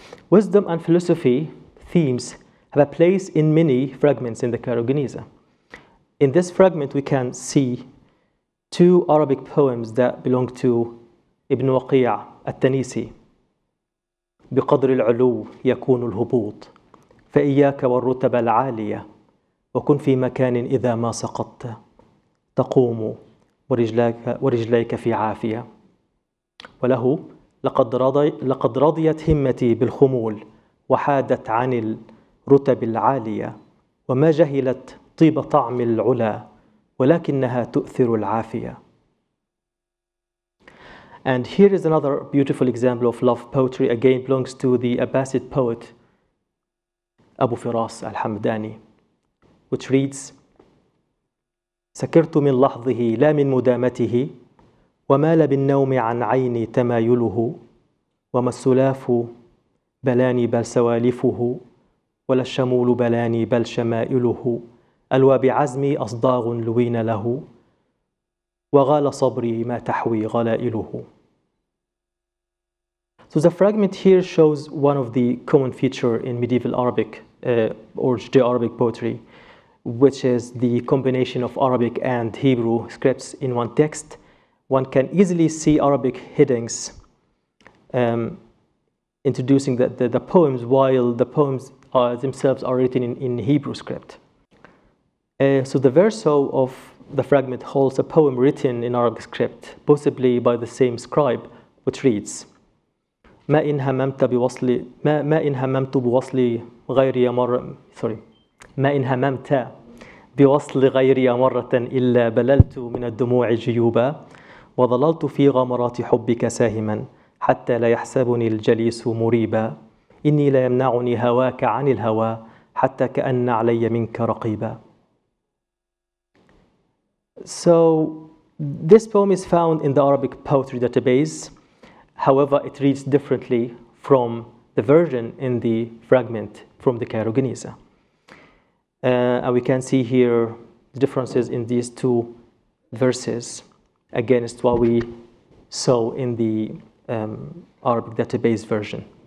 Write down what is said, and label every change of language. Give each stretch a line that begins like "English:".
English: Wisdom and philosophy themes have a place in many fragments in the Cairo Geniza. In this fragment, we can see two Arabic poems that belong to Ibn Waqi' al-Tanisi.
Arabic: بقدر العلو يكون الهبوط فإياك والرتب العالية وكن في مكان إذا ما سقطت تقوم ورجليك في عافية وله لقد رضيت همتي بالخمول وحادت عن الرتب العالية وما جهلت طيب طعم العلا ولكنها تؤثر العافية.
English: And here is another beautiful example of love poetry, again belongs to the Abbasid poet Abu Firas al-Hamdani, which reads,
Arabic: سكرت من لحظه لا من مدامته ومال بالنوم عن عيني تمايله وما السلاف بلاني بل سوالفه ولا الشمول بلاني بل شمائله ألوى بعزمي أصداغ لوين له وغال صبري ما تحوي غلائله.
English: So the fragment here shows one of the common feature in medieval Arabic or Judeo-Arabic poetry, which is the combination of Arabic and Hebrew scripts in one text. One can easily see Arabic headings introducing the poems, while the poems themselves are written in Hebrew script. So the verso of the fragment holds a poem written in Arabic script, possibly by the same scribe, which reads,
Arabic: ما إن هممت بوصل غيري مرة إلا بللت من الدموع جيوبا وظللت في غمرات حبك ساهما حتى لا يحسبني الجليس مريبا إني لا يمنعني هواك عن الهوى حتى كأن علي منك رقيبا.
English: So this poem is found in the Arabic poetry database. However, it reads differently from the version in the fragment from the Cairo Geniza. And we can see here the differences in these two verses against what we saw in the Arabic database version.